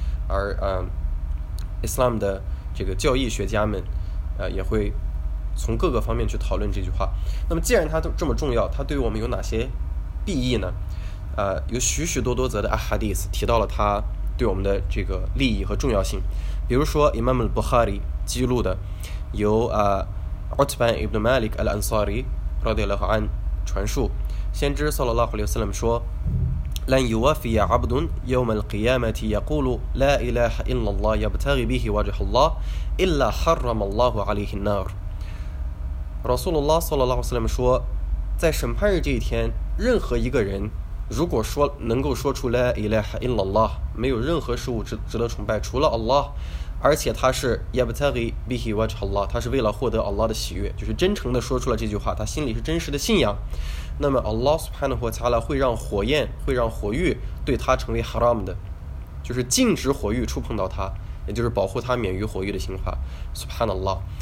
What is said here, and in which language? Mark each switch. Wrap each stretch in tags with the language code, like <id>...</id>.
<zh>而Islam 的这个教义学家们也会从各个方面去讨论这句话。那么既然它这么重要，它对我们有哪些裨益呢？有许许多多则的 Ahadith 提到了它对我们的这个利益和重要性。比如说 Imam al-Bukhari 记录的由Utban ibn Malik al-Ansari radiallahu an 传述，先知 sallallahu alayhi wa sallam 说</zh> <ar>لن يوفي عبد يوم القيامة يقول لا إله إلا الله يبتغي به وجه الله إلا حرم الله عليه النار。</ar> <zh>Rasulullah sallallahu alayhi wa sallam 说，在审判日这一天，任何一个人如果说能够说出</zh> <ar>لا إله إلا الله，</ar> <zh>没有任何事物值得崇拜除了 Allah，而且他是</zh> <ar>yabtaghi bihi wajh Allah，</ar> <zh>他是为了获得 Allah 的喜悦，就是真诚的说出了这句话，他心里是真实的信仰，那么 Allah subhanahu wa ta'ala 会让火焰，会让火狱对他成为 haram 的，就是禁止火狱触碰到他，也就是保护他免于火狱的刑罚， subhanallah。</zh>